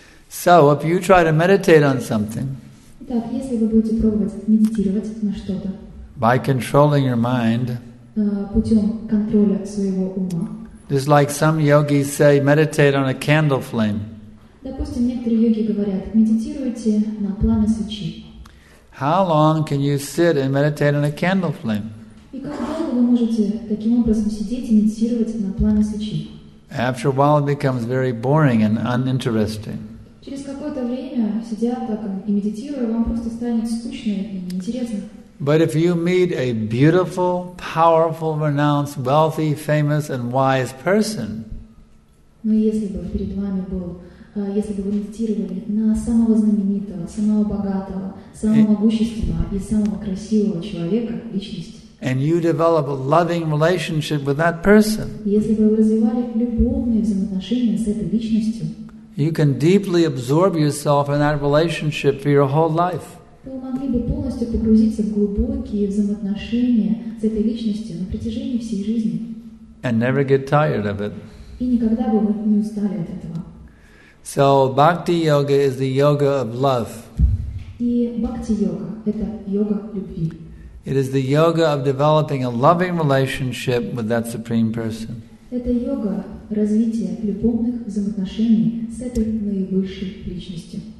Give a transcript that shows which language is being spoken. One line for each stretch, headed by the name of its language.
English: So if you try to meditate on something,
Russian: так если вы будете пробовать медитировать на что-то,
English: by controlling your mind.
Russian: Путем контроля своего ума.
English: Just like some yogis say, meditate on a candle flame.
Russian: Допустим, некоторые йоги говорят, медитируйте на пламя свечи.
English: How long can you sit and meditate on a candle flame?
Russian: И как долго вы можете таким образом сидеть и медитировать на пламя свечи?
English: After a while, it becomes very boring and uninteresting.
Russian: Через какое-то время, сидя так и медитируя, вам просто станет скучно и неинтересно.
English: But if you meet a beautiful, powerful, renowned, wealthy, famous, and wise person,
Russian: но если бы перед вами был, если бы вы медитировали на самого знаменитого, самого богатого, самого могущественного и самого красивого человека, личности,
English: and you develop a loving relationship with that person,
Russian: если бы вы развивали любовные взаимоотношения с этой личностью,
English: you can deeply absorb yourself in that relationship for your whole life.
Russian: Вы могли бы полностью погрузиться в глубокие взаимоотношения с этой личностью на протяжении всей жизни.
English: And never get tired of it.
Russian: И никогда бы вы не устали от этого.
English: So, bhakti-yoga is the yoga of love.
Russian: И бхакти-йога – это йога любви.
English: It is the yoga of developing a loving relationship with that Supreme Person.
Russian: Это йога развития любовных взаимоотношений с этой наивысшей личностью.